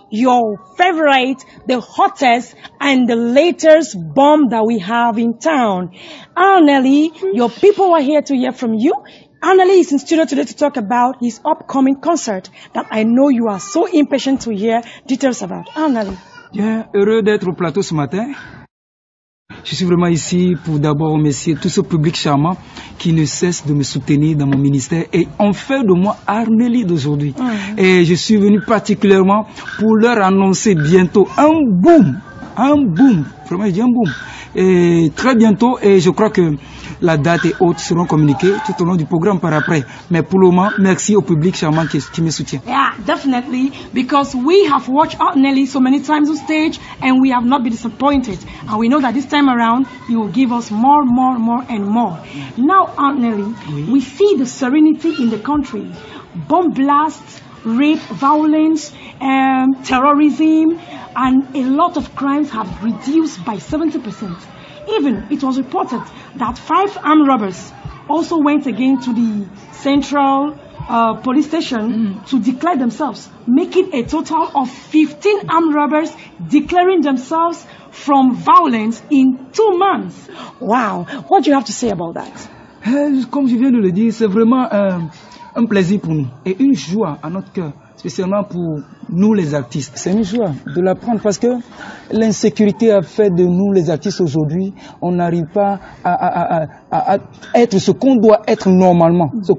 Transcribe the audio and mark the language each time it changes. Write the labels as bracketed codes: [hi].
[en] your favorite, the hottest and the latest bomb that we have in town. Arnelly, your people are here to hear from you. Arnelly is in studio today to talk about his upcoming concert that I know you are so impatient to hear details about. Arnelly. [fr] Bien, heureux d'être au plateau ce matin. Je suis vraiment ici pour d'abord remercier tout ce public charmant qui ne cesse de me soutenir dans mon ministère et en fait de moi Arnelly d'aujourd'hui. Mmh. Et je suis venu particulièrement pour leur annoncer bientôt un boom, vraiment je dis un boom. Et très bientôt, et je crois que la date et autres seront communiquées tout au long du programme par après. Mais pour le moment, merci au public charmant qui me soutient. [en] Yeah, definitely, because we have watched Arnelly so many times on stage and we have not been disappointed. And we know that this time around, you will give us more and more. Now, Arnelly, oui? We see the serenity in the country. Bomb blasts, rape, violence, terrorism, and a lot of crimes have reduced by 70%. Even it was reported that 5 armed robbers also went again to the central police station to declare themselves, making a total of 15 armed robbers declaring themselves from violence in 2 months. Wow, what do you have to say about that? [fr] Comme je viens de le dire, c'est vraiment un plaisir pour nous et une joie à notre cœur, spécialement pour nous les artistes. C'est une joie de l'apprendre parce que l'insécurité a fait de nous les artistes aujourd'hui, on n'arrive pas à être ce qu'on doit être normalement.